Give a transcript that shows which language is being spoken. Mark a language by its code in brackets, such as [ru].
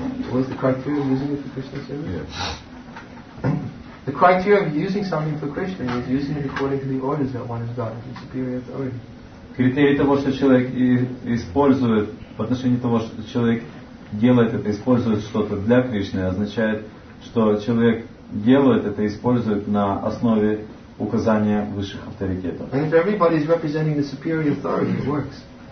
[en] What is the criteria of using it for Krishna service? Yes. The criteria of using something for Krishna is using it according to the orders that one has gotten from superior authority. [ru] Критерий того, что человек использует по отношению того, что человек делает это, использует что-то для Кришны, означает, что человек делают это, используют на основе указания высших авторитетов. [en] And if everybody is representing the superior authority, it works.